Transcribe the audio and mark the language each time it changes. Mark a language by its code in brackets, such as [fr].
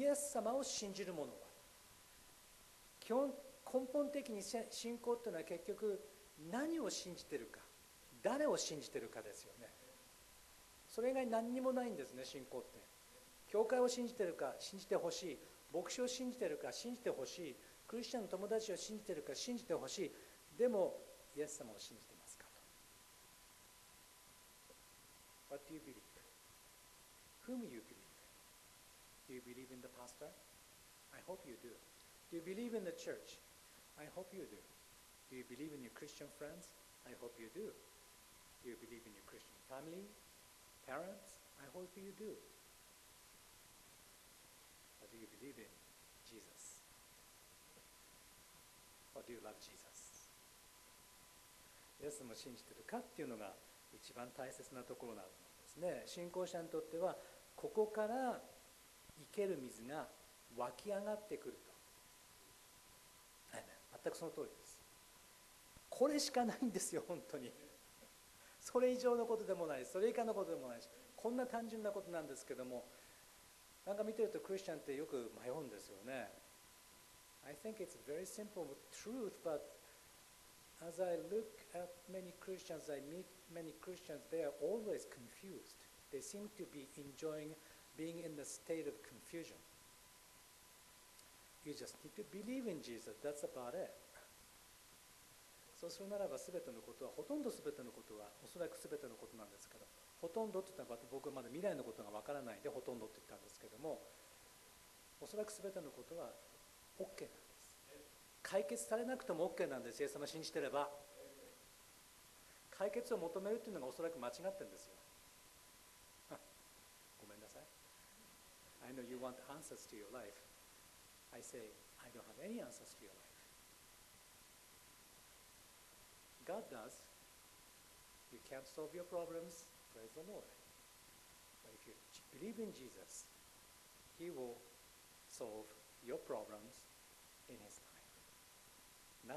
[ja] イエス様を信じる者は、根本的に信仰というのは結局何を信じているか、誰を信じているかですよね。それ以外何にもないんですね、信仰って。教会を信じているか、信じてほしい、牧師を信じているか、信じてほしい、クリスチャンの友達を信じているか、信じてほしい。でもイエス様を信じてますかと。 [en] What do you believe? Whom you believeDo you believe in the pastor? I hope you do. Do you believe in the church? I hope you do. Do you believe in your Christian friends? I hope you do. Do you believe in your Christian family? Parents? I hope you do. But do you believe in Jesus? Or do you love Jesus? [ja] イエス様を信じているかっていうのが一番大切なところなんですね。信仰者にとってはここから生ける水が湧き上がってくると。全くその通りです。これしかないんですよ、本当に。それ以上のことでもないし、それ以下のことでもないし、こんな単純なことなんですけども、なんか見てるとクリスチャンってよく迷うんですよね。 [en] I think it's very simple truth, but as I look at many Christians, I meet many Christians, they are always confused. They seem to be enjoying. Being in the state of confusion. You just need to believe in Jesus. That's about it. [ja] そうするならば、すべてのことは、ほとんどすべてのことは、おそらくすべてのことなんですけど、ほとんどって言ったら、僕はまだ未来のことがわからないんで、ほとんどって言ったんですけども、おそらくすべてのことは OK なんです。解決されなくても OK なんです、イエス様信じてれば。解決を求めるっていうのがおそらく間違ってるんですよ。 [en] I know you want answers to your life. I say, I don't have any answers to your life. God does. You can't solve your problems. Praise the Lord. But if you believe in Jesus, He will solve your problems in His time.